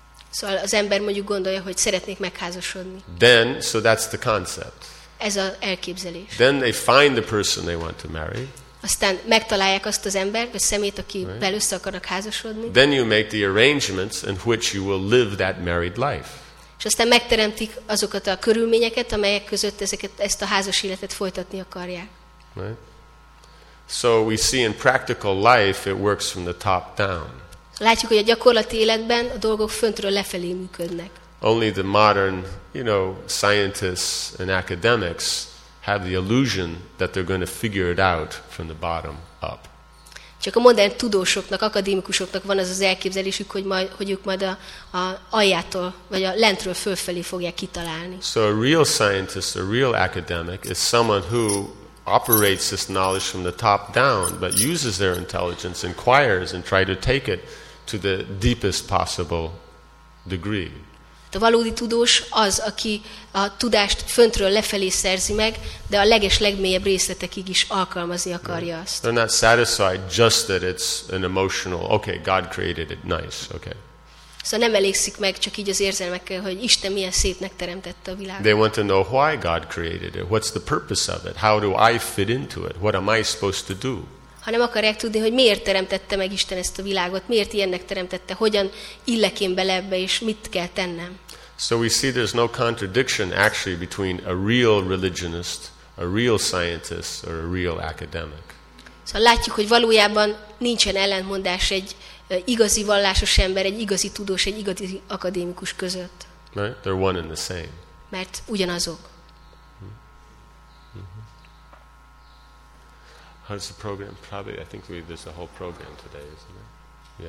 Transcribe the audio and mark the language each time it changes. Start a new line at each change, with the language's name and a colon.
Hungarian: Szóval az ember mondjuk gondolja, hogy szeretnék megházasodni.
English: Then so that's the concept.
Hungarian: Ez az elképzelés.
English: Then they find the person they want to marry.
Hungarian: Aztán megtalálják azt az embert, vagy szemét, akivel össze akarnak házasodni.
English: Then you make the arrangements in which you will live that married life.
Hungarian: És aztán megteremtik azokat a körülményeket, amelyek között ezt a házas életet folytatni akarják.
English: Right. So we see in practical life it works from the top down.
Hungarian: Látjuk, hogy a gyakorlati életben a dolgok föntről lefelé működnek.
English: Only the modern, you know, scientists and academics have the illusion that they're going to figure it out from the bottom up.
Hungarian: Csak a modern tudósoknak, akadémikusoknak van az az elképzelésük, hogy ők majd a aljától, vagy a lentről fölfelé fogják kitalálni.
English: So a real scientist, a real academic is someone who operates this knowledge from the top down, but uses their intelligence, inquires, and try to take it to the deepest possible degree.
Hungarian: A valódi tudós az, aki a tudást föntről lefelé szerzi meg, de a legmélyebb részletekig is alkalmazni akarja azt.
English: They're not satisfied just that it's an emotional, okay, God created it, nice, okay.
Hungarian: Szóval nem elégszik meg csak így az érzelmekkel, hogy Isten milyen szépnek teremtette a világot.
English: They want to know why God created it, what's the purpose of it, how do I fit into it, what am I supposed to do?
Hungarian: Hanem akarják tudni, hogy miért teremtette meg Isten ezt a világot, miért ilyennek teremtette, hogyan illek én bele ebbe, és mit kell tennem.
English: So we see there's no contradiction actually between a real religionist, a real scientist, or a real academic.
Hungarian: Szóval látjuk, hogy valójában nincsen ellentmondás egy igazi vallásos ember, egy igazi tudós, egy igazi akadémikus között.
English: Right? They're one and the same.
Hungarian: mert ugyanazok.
English: How's the program? Probably, I think we, there's a whole program today, isn't there?